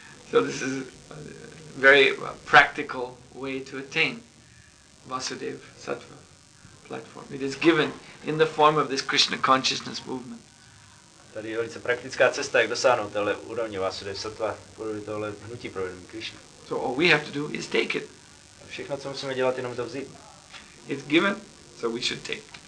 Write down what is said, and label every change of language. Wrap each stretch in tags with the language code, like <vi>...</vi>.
<en>So this is a very practical way to attain Vasudev Sattva platform. It is given in the form of this Krishna consciousness movement.</en> <cs>Tady je velice praktická cesta, jak dosáhnout téhle úrovně Vasudev Sattva, podobně tohle hnutí pro vědomí Krishna.</cs> <en>So all we have to do is take it.</en> <cs>A všechno, co musíme dělat, jenom to vzít.</cs> <en>It's given, so we should take.</en>